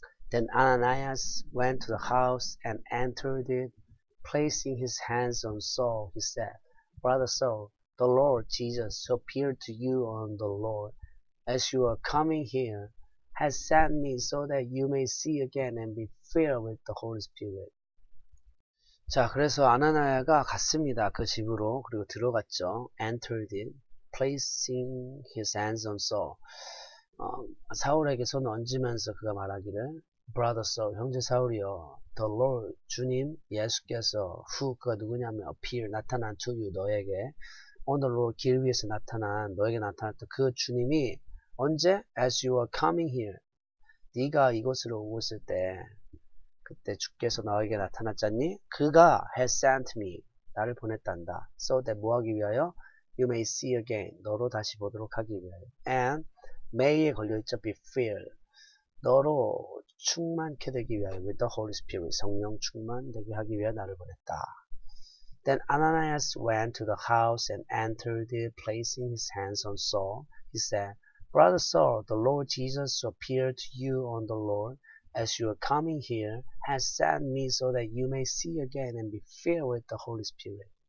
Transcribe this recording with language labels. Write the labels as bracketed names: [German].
[English] Then Ananias went to the house and entered it, placing his hands on Saul. He said, Brother Saul, the Lord Jesus, who appeared to you on the Lord as you are coming here, has sent me so that you may see again and be filled with the Holy Spirit. [Korean] 자, 그래서 아나니아가 갔습니다. 그 집으로. 그리고 들어갔죠. [English] Entered in. Placing his hands on Saul. [Korean] 사울에게 손 얹으면서 그가 말하기를, [English] Brother Saul, [Korean] 형제 사울이요. [English] The Lord, [Korean] 주님, 예수께서, [English] who, [Korean] 그가 누구냐면, [English] appear, [Korean] 나타난 [English] to you, [Korean] 너에게. 오늘로 길 위에서 나타난, 너에게 나타났던 그 주님이, 언제? [English] As you are coming here. [Korean] 네가 이곳으로 오었을 때, 그때 주께서 너에게 나타났잖니? 그가 [English] has sent me. [Korean] 나를 보냈단다. [English] So that [Korean] 뭐 하기 위하여? [English] You may see again. [Korean] 너로 다시 보도록 하기 위하여. [English] And may에 [Korean] 걸려있죠. [English] Be filled. [Korean] 너로 충만케 되기 위하여. [English] With the Holy Spirit. [Korean] 성령 충만되게 하기 위하여 나를 보냈다. [English] Then Ananias went to the house and entered it, placing his hands on Saul. He said, Brother Saul, the Lord Jesus who appeared to you on the Lord as you are coming here has sent me so that you may see again and be filled with the Holy Spirit.